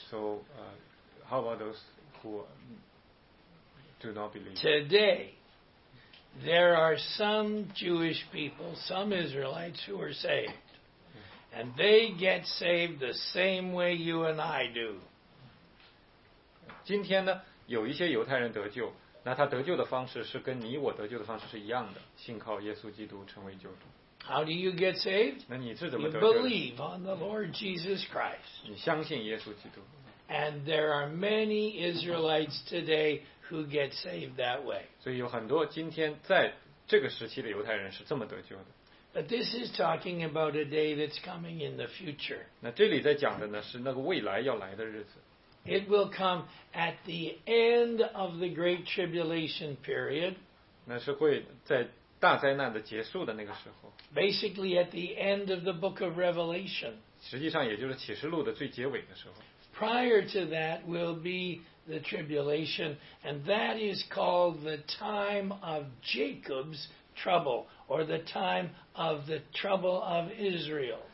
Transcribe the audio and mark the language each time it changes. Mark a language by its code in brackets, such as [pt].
[en] So how about those who do not believe? Today. There are some Jewish people, some Israelites who are saved. And they get saved the same way you and I do. [zh] 今天呢，有一些犹太人得救，那他得救的方式是跟你我得救的方式是一样的，信靠耶稣基督成为救主。 [en] How do you get saved? [zh] 那你是怎么得救的? [en] You believe on the Lord Jesus Christ. [zh] 你相信耶稣基督。 [en] And there are many Israelites today who get saved that way. [zh] 所以有很多今天在这个时期的犹太人是这么得救的。 [en] But this is talking about a day that's coming in the future. [zh] 那这里在讲的呢是那个未来要来的日子。 [en] It will come at the end of the Great Tribulation period. [zh] 那是会在大灾难的结束的那个时候。 [en] Basically at the end of the Book of Revelation. [zh] 实际上也就是启示录的最结尾的时候。 [en] Prior to that will be the tribulation, and that is called the time of Jacob's trouble, or the time of the trouble of Israel.